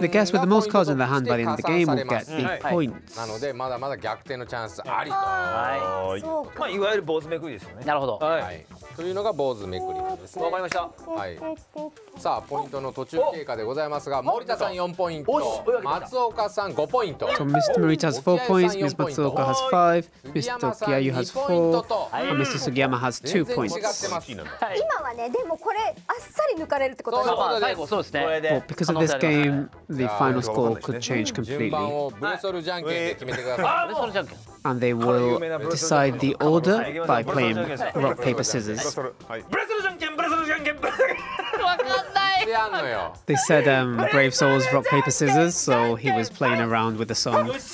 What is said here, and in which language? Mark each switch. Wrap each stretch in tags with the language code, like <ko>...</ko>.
<en>The guest with the most cards in the hand by the end of the game will get 8 points、</en> <ja>はい、なのでまだまだ逆転のチャンスありと、はい、そうか、まあ、いわゆる坊主めくりですよね。なるほど、はいはい、というのが坊主めくりですね。わかりました、はい、さあポイントの途中経過でございますが、森田さん4ポイント、松岡さん5ポイント、</ja> <en>so、Mr. Morita has 4 points, Ms. Matsuoka has 5, Mr. Tokiyu has 4, and Mr. Sugiyama has 2 points.</en> <ja>今はね、でもこれあっさり抜かれるってことだから、最後そうですね。</ja> <en>Well, because of this game, the final score could change completely.</en> <ja>順番をブルソルジャンケンで決めてください。</ja> <en>And they will decide the order by playing rock, paper, scissors.</en> <ja>ブルソルジャンケン、ブルソルジャンケン、ブルソルジャンケン。</ja> <en>They said Brave Souls, Rock, Paper, Scissors, so he was playing around with the song.</en>